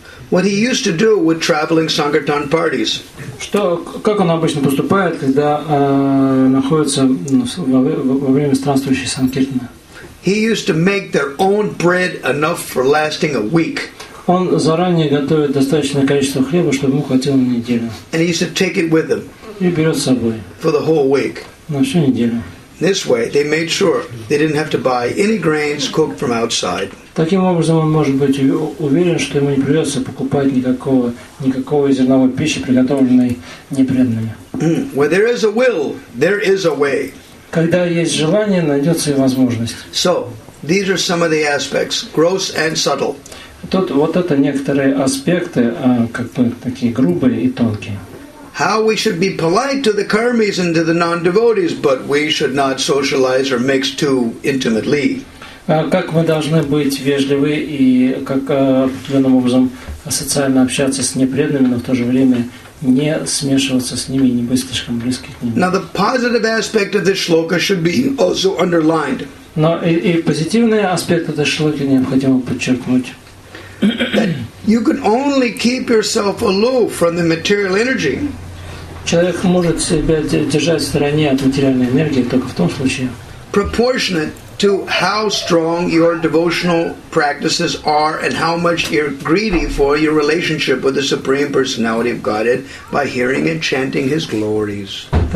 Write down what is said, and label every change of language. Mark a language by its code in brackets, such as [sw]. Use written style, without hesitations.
[en] What he used to do with traveling sangirtan parties? [ru] Что, как он обычно поступает, когда находится во время странствующей санкиртаны? [en] He used to make their own bread enough for lasting a week. [ru] Он заранее готовит достаточное количество хлеба, чтобы ему хватило на неделю. [en] And he used to take it with them. [ru] И берет с собой. [en] For the whole week. [ru] На всю неделю. [en] This way, they made sure they didn't have to buy any grains cooked from outside. [ru] Таким образом, он может быть уверен, что ему не придется покупать никакого зерновой пищи, приготовленной непреданными. [en] Where there is a will, there is a way. [ru] Когда есть желание, найдется и возможность. [en] So, these are some of the aspects, gross and subtle. [ru] Тут вот это некоторые аспекты, как бы такие грубые и тонкие. [en] How we should be polite to the karmis and to the non-devotees, but we should not socialize or mix too intimately. [ru] Как мы должны быть вежливы и как определенным образом социально общаться с непреданными, но в то же время не смешиваться с ними и не быть слишком близки к ним. [en] Now the positive aspect of this shloka should be also underlined. [ru] Но и позитивный аспект этой шлоки необходимо подчеркнуть. [en] You can only keep yourself aloof from the material energy. [ru] Человек может себя держать в стороне от материальной энергии только в том случае. [en] Proportionate to how strong your devotional practices are and how much you're greedy for your relationship with the Supreme Personality of Godhead by hearing and chanting His glories.